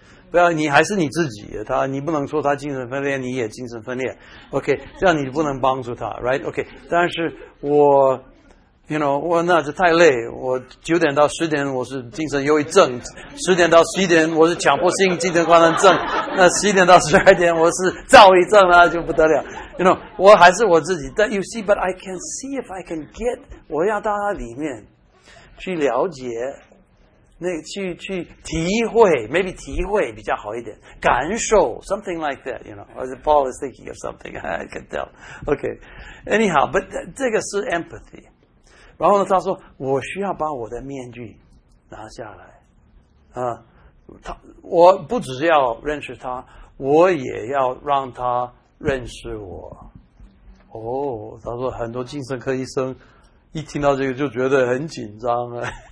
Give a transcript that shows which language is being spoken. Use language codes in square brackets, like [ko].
[zh] 不要你还是你自己，他你不能说他精神分裂，你也精神分裂 ，OK， 这样你不能帮助他 ，right？OK，、okay, 但是我。 You know, 我那是太累。我九点到十点我是精神忧郁症，十点到十一点我是强迫性精神功能症，那十一点到十二点我是躁郁症啊，就不得了。 You know, 我还是我自己。但 you see, [en] but I can see if I can get， [zh] 我要到他里面去了解，那去体会 ，maybe 体会比较好一点，感受 something like that。 [en] You know, as Paul is thinking of something, I can tell. Okay, anyhow, but [zh] 这个是 [en] empathy。 [zh] 然后呢他说我需要把我的面具拿下来。我不只是要认识他，我也要让他认识我。哦，他说很多精神科医生一听到这个就觉得很紧张了。